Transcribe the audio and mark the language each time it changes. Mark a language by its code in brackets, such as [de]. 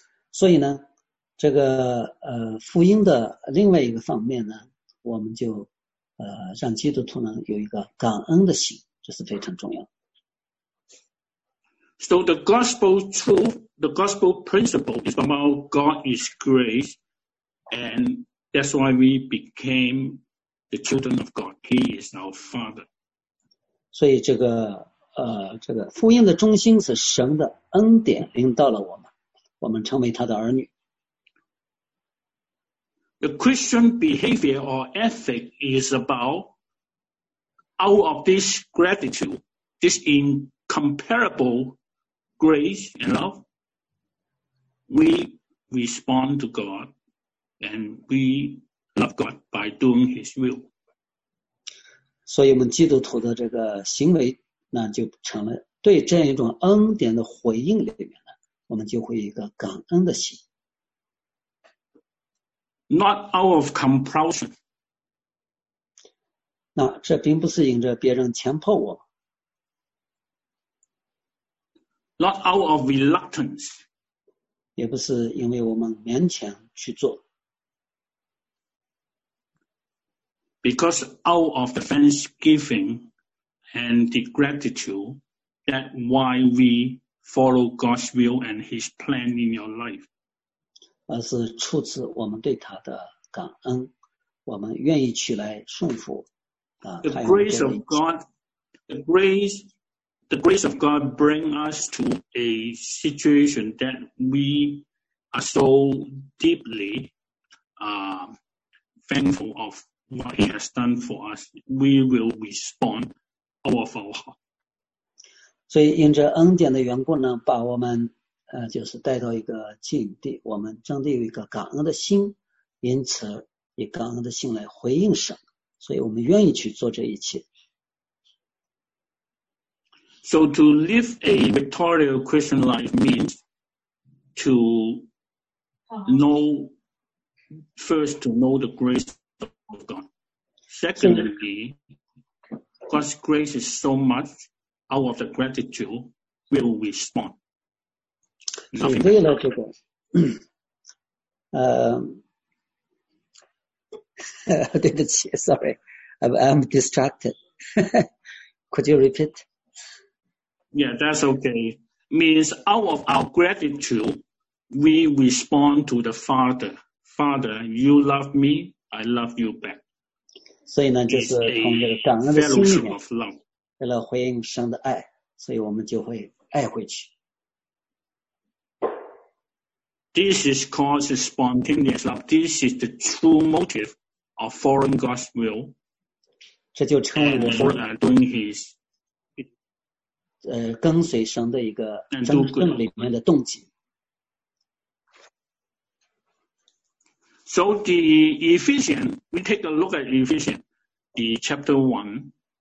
[zh] 所以呢，这个福音的另外一个方面呢，我们就让基督徒呢有一个感恩的心，这是非常重要的。 [en] So the gospel truth, the gospel principle is about God is grace, and that's why we became the children of God. He is our Father. [zh] 所以这个福音的中心是神的恩典临到了我们，我们成为他的儿女。 [en] The Christian behavior or ethic is about out of this gratitude, this incomparable grace and love, we respond to God and we love God by doing His will. [zh] 所以我们基督徒的这个行为那就成了对这样一种恩典的回应里面呢，我们就会有一个感恩的心。 [en] Not out of compulsion. [zh] 那这并不是因着别人强迫我。 [en] Not out of reluctance. [zh] 也不是因为我们勉强去做。 [en] Because out of the thanksgiving and the gratitude, that's why we follow God's will and His plan in your life. [zh] 而是出自我们对他的感恩，我们愿意去来顺服。 [en] The grace of God bring us to a situation that we are so deeply thankful of what He has done for us. We will respond out of our [zh] 所以因着恩典的缘故呢，把我们就是带到一个境地，我们真的有一个感恩的心，因此以感恩的心来回应神，所以我们愿意去做这一切。 [en] So to live a victorious Christian life means to know, first to know the grace of God. Secondly, God's grace is so much, out of the gratitude, will respond. [zh] 为了这个，对不起 [en] ，sorry, I'm distracted. Could you repeat? Yeah, that's okay. Means out of our gratitude, we respond to the Father. Father, you love me, I love you back. [zh] 所以呢，就是从这个感恩的心里面，为了回应神的爱，所以我们就会爱回去。 [en] This is called spontaneous love. This is the true motive of following God's will. [zh] 这就成为我们 [en] doing His. [zh] 跟随神的一个真正里面的动机。 [en] So the Ephesians, we take a look at Ephesians, the chapter 1.